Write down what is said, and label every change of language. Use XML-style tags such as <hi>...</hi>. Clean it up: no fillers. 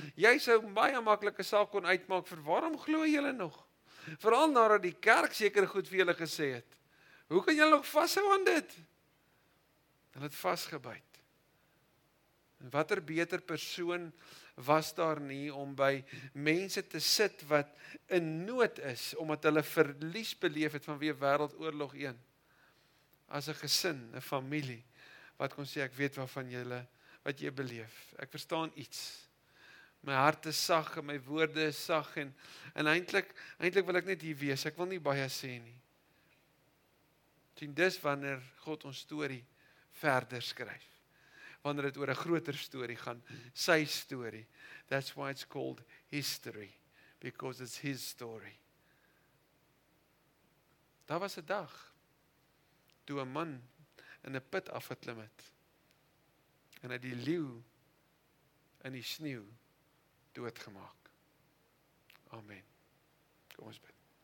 <af>Jy sou baie maklike saak kon uitmaak vir waarom glo julle nog? Vooral nadat die kerk seker goed vir julle gesê het. Hoe kan julle nog vashou aan dit? Hulle het vasgebyt. En watter beter persoon was daar nie om by mense te sit wat in nood is, omdat hulle verlies beleef het vanweë Wêreldoorlog 1, as 'n gesin, 'n familie, wat kon sê, ek weet waarvan julle, wat jy beleef, ek verstaan iets. My hart is sag en my woorde is sag en eintlik wil ek net hier wees. Ek wil nie baie sê nie. Sien, dis wanneer God ons storie verder skryf. Wanneer dit oor 'n groter storie gaan, sy storie.</af> <en>That's why it's called history because it's his story.</en> <af>Daar was 'n dag toe 'n man in 'n put afgeklim het en hy die leeu in die sneeu doodgemaak. Amen. Kom ons bid.</af>